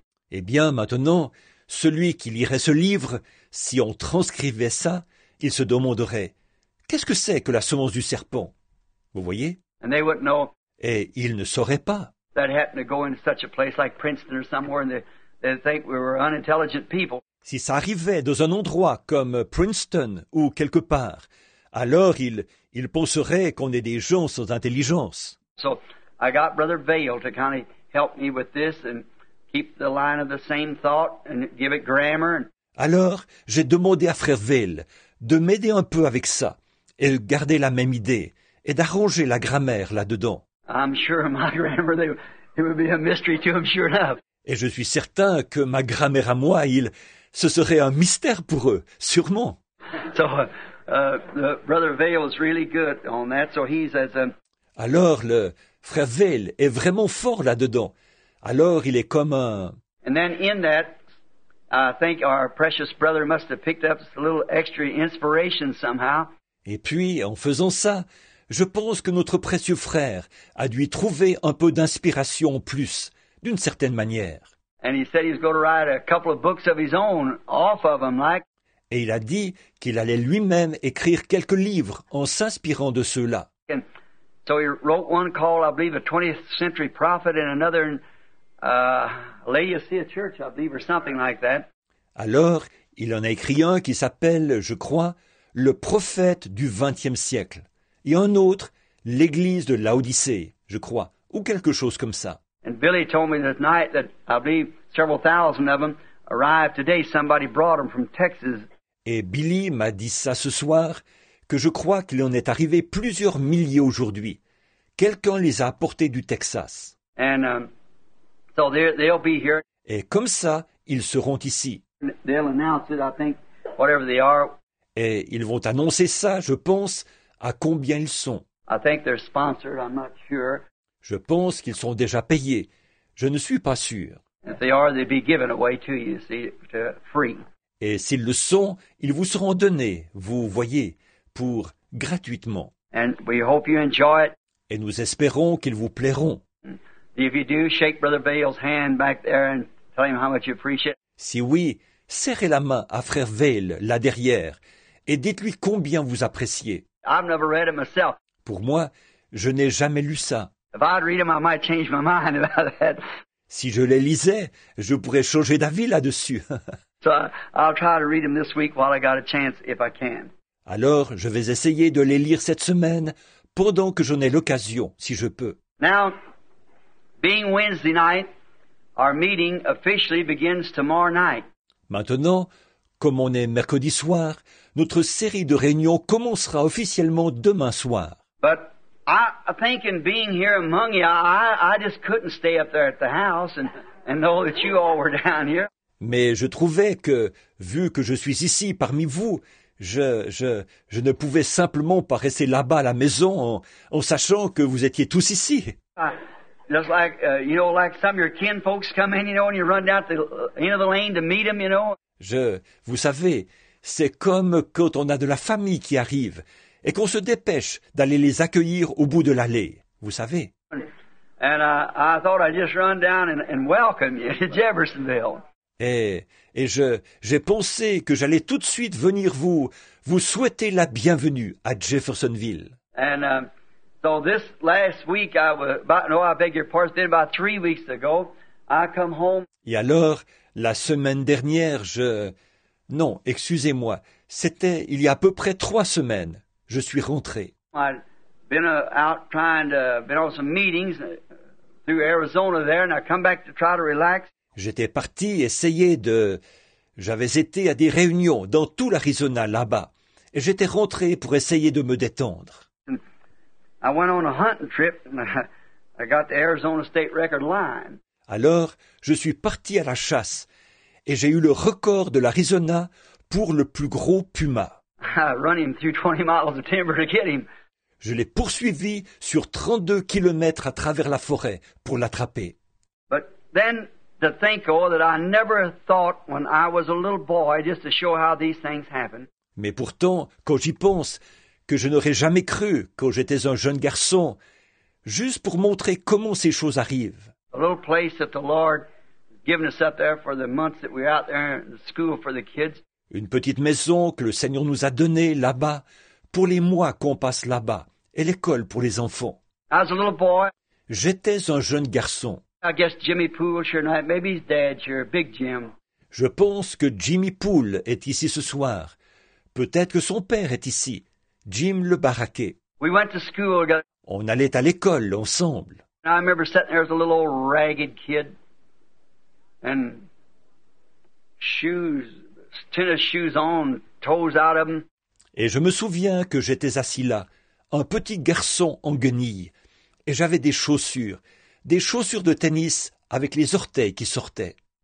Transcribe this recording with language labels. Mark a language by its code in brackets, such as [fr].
[fr] Eh bien, maintenant, celui qui lirait ce livre, si on transcrivait ça, il se demanderait, qu'est-ce que c'est que la semence du serpent? Vous voyez? [en] And they wouldn't know. [fr] Et il ne saurait pas. [en] That happened to go into such a place like Princeton or somewhere, and they think we were unintelligent people. [fr] Si ça arrivait dans un endroit comme Princeton ou quelque part, alors il penserait qu'on est des gens sans intelligence. [en] So, I got Brother Vail to kind of help me with this and keep the line of the same thought and give it grammar. [fr] Alors, j'ai demandé à Frère Vail de m'aider un peu avec ça et de garder la même idée et d'arranger la grammaire là-dedans. [en] I'm sure my grammar, it would be a mystery to him, sure enough. [fr] Et je suis certain que ma grammaire à moi, ce serait un mystère pour eux, sûrement. [en] So, Brother Vail is really good on that. So he's as a. [fr] Alors le frère Vail est vraiment fort là-dedans. Alors il est comme un. [en] And then in that, I think our precious brother must have picked up a little extra inspiration somehow. [fr] Et puis en faisant ça, je pense que notre précieux frère a dû y trouver un peu d'inspiration en plus, d'une certaine manière. [en] And he said he was going to write a couple of books of his own off of them, like. [fr] Et il a dit qu'il allait lui-même écrire quelques livres en s'inspirant de ceux-là. [en] So he wrote one called, I believe, a 20th century prophet, and another Laodicea Church, I believe, or something like that. [fr] Alors, il en a écrit un qui s'appelle, je crois, le prophète du 20e siècle, et un autre, l'église de Laodicée, je crois, ou quelque chose comme ça. [en] And Billy told me that night that I believe several thousand of them arrived today. Somebody brought them from Texas. [fr] Et Billy m'a dit ça ce soir, que je crois qu'il en est arrivé plusieurs milliers aujourd'hui. Quelqu'un les a apportés du Texas. [en] And, so they'll be here. [fr] Et comme ça, ils seront ici. [en] They'll announce it, I think, whatever they are. [fr] Et ils vont annoncer ça, je pense, à combien ils sont. [en] I think they're sponsored, I'm not sure. [fr] Je pense qu'ils sont déjà payés. Je ne suis pas sûr. [en] If they are, they'd be given away to you, see, to free. [fr] Et s'ils le sont, ils vous seront donnés, vous voyez, pour gratuitement. [en] And we hope you enjoy it. [fr] Et nous espérons qu'ils vous plairont. [en] If you do, shake Brother Vail's hand back there and tell him how much you appreciate. [fr] Si oui, serrez la main à frère Vail, là derrière, et dites-lui combien vous appréciez. [en] I've never read it myself. [fr] Pour moi, je n'ai jamais lu ça. [en] If I'd read him, I might change my mind about that. [fr] Si je les lisais, je pourrais changer d'avis là-dessus. [en] So I'll try to read them this week while I got a chance, if I can. [fr] Alors, je vais essayer de les lire cette semaine pendant que j'en ai l'occasion, si je peux. [en] Now, being Wednesday night, our meeting officially begins tomorrow night. [fr] Maintenant, comme on est mercredi soir, notre série de réunions commencera officiellement demain soir. [en] But I think in being here among you, I just couldn't stay up there at the house and know that you all were down here. [fr] Mais je trouvais que, vu que je suis ici parmi vous, je ne pouvais simplement pas rester là-bas à la maison en sachant que vous étiez tous ici. [en] Just like, you know, like some of your kin folks come in, you know, and you run down to the end of the lane to meet them, you know. [fr] Vous savez, c'est comme quand on a de la famille qui arrive et qu'on se dépêche d'aller les accueillir au bout de l'allée, vous savez. [en] And I thought I'd just run down and welcome you to Jeffersonville. [fr] J'ai pensé que j'allais tout de suite venir vous souhaiter la bienvenue à Jeffersonville. [en] And so this last week, I beg your pardon, it's been about 3 weeks ago, I come home. [fr] Et alors, la semaine dernière, excusez-moi, c'était il y a à peu près 3 semaines, je suis rentré. [en] I've been out trying to, been on some meetings through Arizona there, and I come back to try to relax. [fr] J'étais parti essayer de... J'avais été à des réunions dans tout l'Arizona, là-bas. Et j'étais rentré pour essayer de me détendre. [en] I went on a hunting trip and I got the Arizona State Record Line. [fr] Alors, je suis parti à la chasse et j'ai eu le record de l'Arizona pour le plus gros puma. [en] I run him through 20 miles of timber to get him. [fr] Je l'ai poursuivi sur 32 kilomètres à travers la forêt pour l'attraper. [en] But then... To think, oh, that I never thought when I was a little boy, just to show how these things happen. [fr] Mais pourtant, quand j'y pense, que je n'aurais jamais cru quand j'étais un jeune garçon, juste pour montrer comment ces choses arrivent. [en] A little place that the Lord given us up there for the months that we're out there in school for the kids. [fr] Une petite maison que le Seigneur nous a donnée là-bas pour les mois qu'on passe là-bas et l'école pour les enfants. [en] As a little boy. [fr] J'étais un jeune garçon. [en] I guess Jimmy Poole, sure not. Maybe his dad, sure. Big Jim. [fr] Je pense que Jimmy Poole est ici ce soir. Peut-être que son père est ici. Jim le Baraquet. [en] We went to school. [fr] On allait à l'école ensemble. [en] I remember sitting there as a little old ragged kid. And shoes, tennis shoes on, toes out of them. [fr] Et je me souviens que j'étais assis là, un petit garçon en guenille. Et j'avais des chaussures. Des chaussures de tennis avec les orteils qui sortaient.